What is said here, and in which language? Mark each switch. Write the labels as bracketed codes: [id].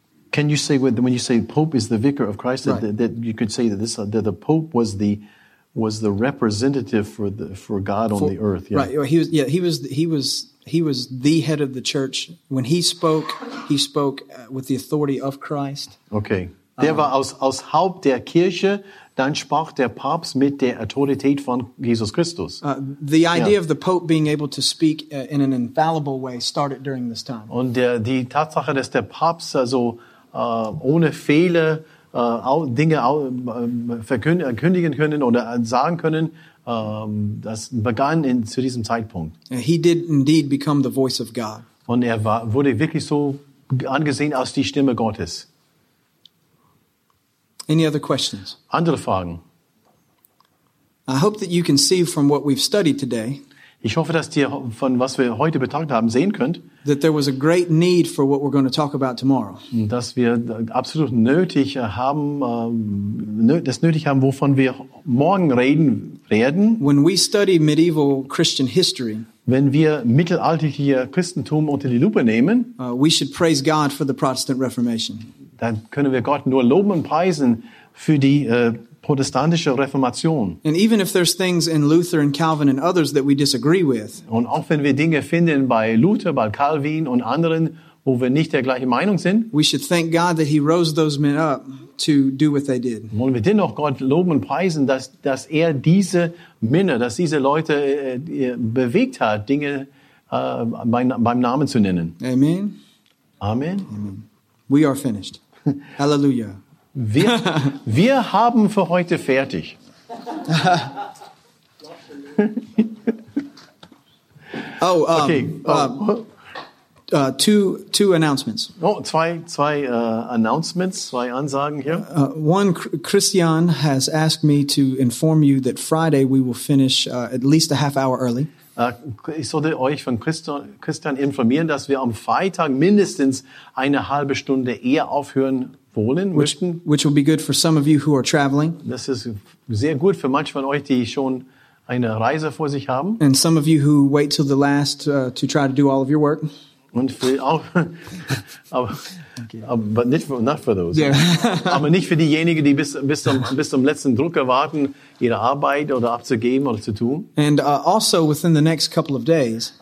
[en] Can you say when you say Pope is the vicar of Christ, right. that you could say that the Pope was the representative for God on the earth? Yeah. Right. He was the head of the church. When he spoke with the authority of Christ. Okay. [de] Der war aus Haupt der Kirche. Dann sprach der Papst mit der Autorität von Jesus Christus. [en] The idea of the Pope being able to speak in an infallible way started during this time. [de] Und die Tatsache, dass der Papst also ohne Fehler Dinge verkündigen können oder sagen können, das begann zu diesem Zeitpunkt. [en] He did indeed become the voice of God. [de] Und er wurde wirklich so angesehen als die Stimme Gottes. [en] Any other questions? [de] Andere Fragen. [en] I hope that you can see from what we've studied today. [de] Ich hoffe, dass ihr von was wir heute betrachtet haben sehen könnt. [en] That there was a great need for what we're going to talk about tomorrow. [de] Dass wir absolut nötig haben, das nötig haben, wovon wir morgen reden werden. [en] When we study medieval Christian history. [de] Wenn wir mittelalterliche Christentum unter die Lupe nehmen. [en] We should praise God for the Protestant Reformation. [de] Dann können wir Gott nur loben und preisen für die protestantische Reformation. [en] And even if there's things in Luther and Calvin and others that we disagree with. [de] Und auch wenn wir Dinge finden bei Luther, bei Calvin und anderen, wo wir nicht der gleichen Meinung sind. [en] We should thank God that he rose those men up to do what they did. [de] Wollen wir dennoch Gott loben und preisen, dass er diese Männer, dass diese Leute bewegt hat, Dinge beim Namen zu nennen. [en] Amen. Amen. Amen. We are finished. Hallelujah. [de] Wir haben für heute fertig. [en] Oh, two announcements. [de] Oh, zwei announcements, zwei Ansagen hier. [en] One, Christian has asked me to inform you that Friday we will finish at least a half hour early. [de] Ich sollte euch von Christian informieren, dass wir am Freitag mindestens eine halbe Stunde eher aufhören wollen. [en] Which will be good for some of you who are traveling. [de] Das ist sehr gut für manche von euch, die schon eine Reise vor sich haben. [en] And some of you who wait till the last to try to do all of your work. [de] Und für auch, aber nicht für, [en] not for those. Yeah. [de] Aber nicht für diejenigen, die bis zum letzten Druck erwarten, ihre Arbeit oder abzugeben oder zu tun. [en] And also within the next couple of days.